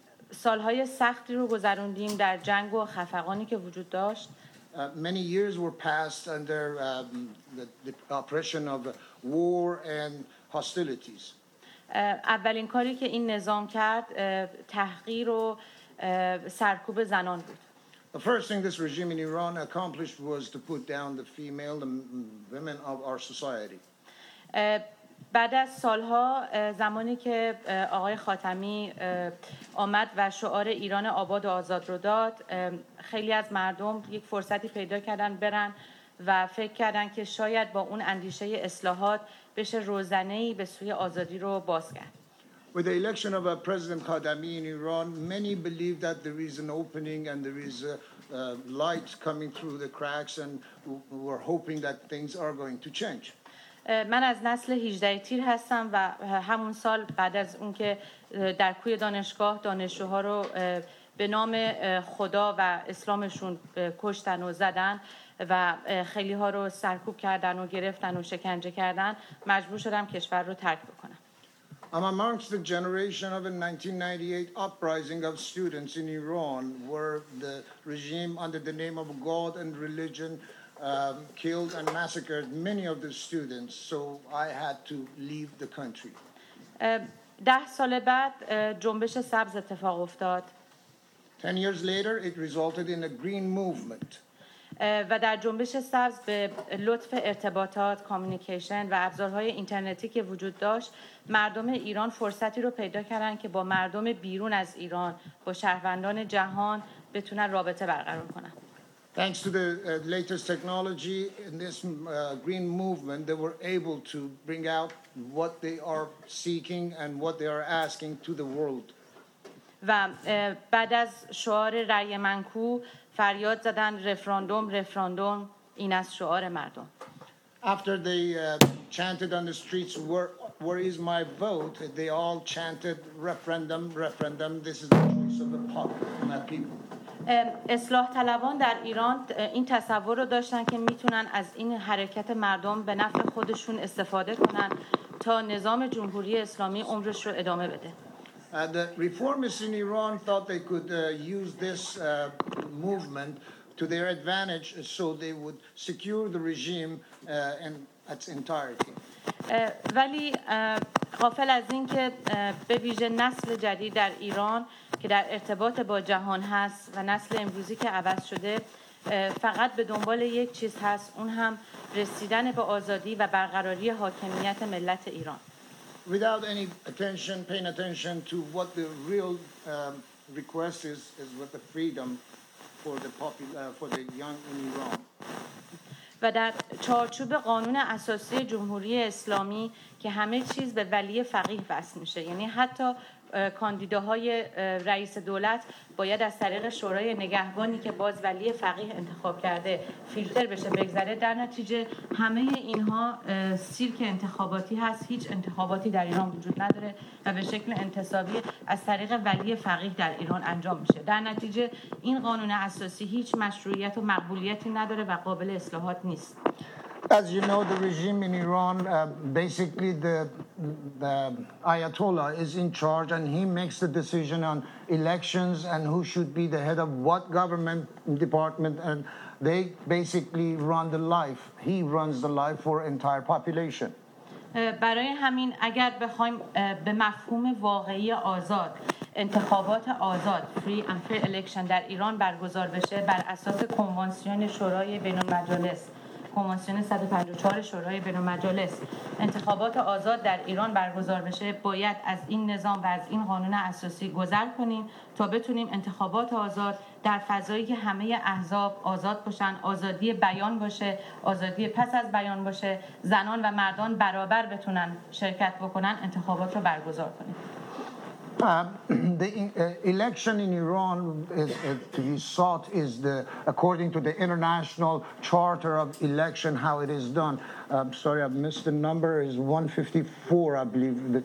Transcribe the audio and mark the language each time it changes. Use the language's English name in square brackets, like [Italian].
[Persian] سالهای سختی رو گذروندیم در جنگ و خفقانی که وجود داشت. [English] Many years were passed under the oppression of war and hostilities. [Persian] اولین کاری که این نظام کرد تحقیر و سرکوب زنان بود. [English] The first thing this regime in Iran accomplished was to put down the female, the women of our society. [Persian] بعد از سالها زمانی که آقای خاتمی آمد و شعار ایران آباد و آزاد رو داد، خیلی از مردم یک فرصتی پیدا کردن برن و فکر کردن که شاید با اون اندیشه اصلاحات بشه روزنه‌ای به سوی آزادی رو باز کرد. [English] With the election of President Khatami in Iran, many believe that there is an opening and there is light coming through the cracks, and we're hoping that things are going to change. [Persian] من از نسل 18 تیر هستم و همون سال بعد از اون که در کوی دانشگاه دانشجوها رو به نام خدا و اسلامشون کشتن و زدن و خیلی ها رو سرکوب کردن و گرفتن و شکنجه کردن، مجبور شدم کشور رو ترک بکنم. [English] I'm amongst the generation of a 1998 uprising of students in Iran where the regime under the name of God and religion killed and massacred many of the students, so I had to leave the country. [Persian] 10 سال بعد جنبش سبز اتفاق افتاد. [English] 10 years later, it resulted in a green movement. [Persian] و در جنبش سبز به لطف ارتباطات، کامیونیکیشن و ابزارهای اینترنتی که وجود داشت، مردم ایران فرصتی رو پیدا کردن که با مردم بیرون از ایران، با شهروندان جهان بتونن رابطه برقرار کنن. [English] Thanks to the latest technology in this green movement, they were able to bring out what they are seeking and what they are asking to the world. [Persian] و بعد از شعار رأی منکو فریاد زدن رفراندوم رفراندوم، این از شعار مردم. [English] After they chanted on the streets where is my vote, they all chanted referendum referendum, this is the choice of the people. [Persian] اصلاح طلبان در ایران این تصور رو داشتن که میتونن از این حرکت مردم به نفع خودشون استفاده کنن تا نظام جمهوری اسلامی عمرش رو ادامه بده. [English] And the reformists in Iran thought they could use this movement to their advantage so they would secure the regime in its entirety. [Persian] ولی غافل از این که به ویژه نسل جدید در ایران که در ارتباط با جهان هست و نسل امروزی که عوض شده فقط به دنبال یک چیز هست، اون هم رسیدن به آزادی و برقراری حاکمیت ملت ایران. [English] Without any attention, paying attention to what the real request is with the freedom for the for the young in Iran. [Persian] و در چارچوب قانون اساسی جمهوری اسلامی که همه چیز به ولی فقیه بس میشه، یعنی حتی کاندیداهای رئیس دولت باید از طریق شورای نگهبانی که باز ولی فقیه انتخاب کرده فیلتر بشه بگذره، در نتیجه همه اینها سیرک انتخاباتی هست، هیچ انتخاباتی در ایران وجود نداره و به شکل انتصابی از طریق ولی فقیه در ایران انجام میشه. در نتیجه این قانون اساسی هیچ مشروعیت و مقبولیتی نداره و قابل اصلاحات نیست. [English] As you know, the regime in Iran, basically the Ayatollah is in charge, and he makes the decision on elections and who should be the head of what government department, and they basically run the life. He runs the life for entire population. [Persian] برای همین اگر بخوایم به مفهوم واقعی آزاد، انتخابات آزاد، [English] free and fair election [Persian] در ایران برگزار بشه بر اساس کنوانسیون شورای بین‌المجالس، کنوانسیون 154 شورای بین المجالس، انتخابات آزاد در ایران برگزار بشه، باید از این نظام و از این قانون اساسی گذر کنیم تا بتونیم انتخابات آزاد در فضایی که همه احزاب آزاد باشن، آزادی بیان باشه، آزادی پس از بیان باشه، زنان و مردان برابر بتونن شرکت بکنن، انتخابات رو برگزار کنیم. [English] The election in Iran is to be sought is the according to the international charter of election how it is done. Sorry, I've missed the number. Is 154, I believe.